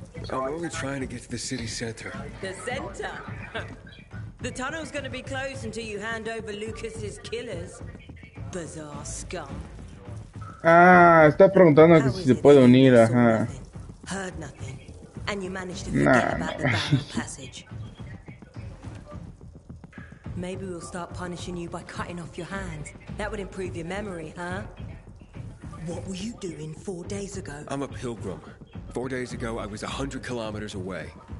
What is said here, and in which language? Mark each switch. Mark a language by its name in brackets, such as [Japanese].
[English] I'm only trying to get to the city center. The center? The tunnel's gonna be closed until you hand over Lucas's killers. Bizarre scum. [Spanish] Está preguntando que si se puede unir, ajá. [English] Heard nothing. And you managed to forget about the battle passage. Maybe we'll start punishing you by cutting off your hand. That would improve your memory, huh? What were you doing 4 days ago? I'm a pilgrim. 4 days ago, I was 100 kilometers away.